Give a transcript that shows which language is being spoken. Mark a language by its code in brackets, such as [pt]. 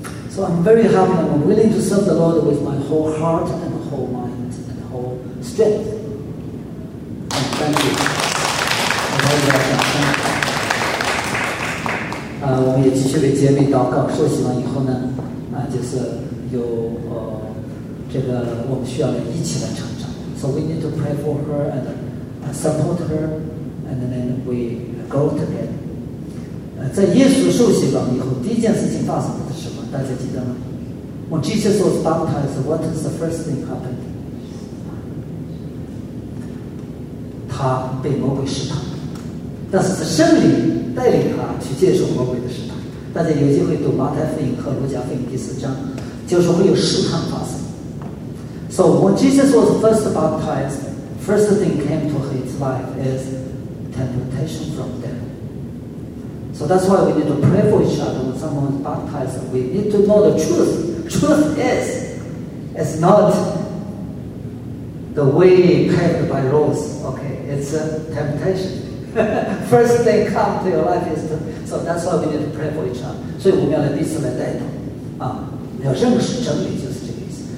[en] So I'm very happy. I'm willing to serve the Lord with my whole heart and whole mind and whole strength. Thank you. [zh] 我们也继续为姐妹祷告，说希望以后呢，就是有这个我们需要一起来成长。 [en] So we need to pray for her and support her, and then we go together. [zh] 在耶稣受洗完以后，第一件事情发生的是什么？大家记得吗 ？ [en] When Jesus was baptized, what is the first thing happened? [zh] 他被魔鬼试探，但是圣灵带领他去接受魔鬼的试探。大家有机会读马太福音和路加福音第四章，就是会有试探发生。 [en] So when Jesus was first baptized, first thing came to his life is temptation from them. So that's why we need to pray for each other. When someone is baptized, we need to know the truth. Truth is, it's not the way kept by rules. Okay. It's a temptation. First thing come to your life is to, so that's why we need to pray for each other. [zh] 所以我们要来彼此来带动啊，要认识真理就是这个意思。